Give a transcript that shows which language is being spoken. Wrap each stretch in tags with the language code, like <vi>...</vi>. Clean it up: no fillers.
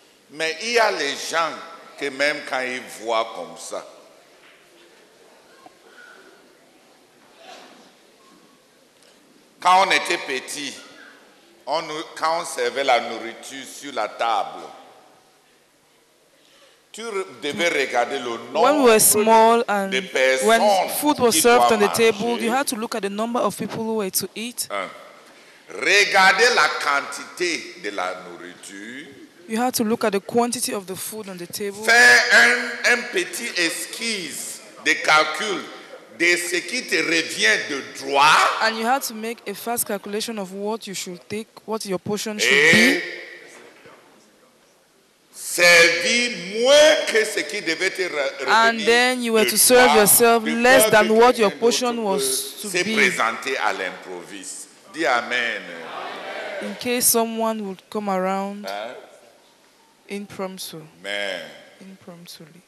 <fr>Mais il y a les gens que même quand ils voient comme ça, quand on était petit, quand on servait la nourriture sur la table,</fr> <en>When we were small and when food was served on the table, you had to look at the number of people who were to eat.</en> <fr>Regardez la quantité de la nourriture.</fr> <en>You had to look at the quantity of the food on the table.</en> <fr>Faire un petit esquisse de calcul de ce qui te revient de droit.</fr> <en>And you had to make a fast calculation of what you should take, what your portion should be.</en> <fr>Servir moins que ce qui devait te revenir.</fr> <en>And then you were to serve yourself less than what your portion was to be.</en> <fr>Se présenter à l'improviste. Dis amen.</fr> <en>In case someone would come around. Impromptu. Man. Impromptu.</en>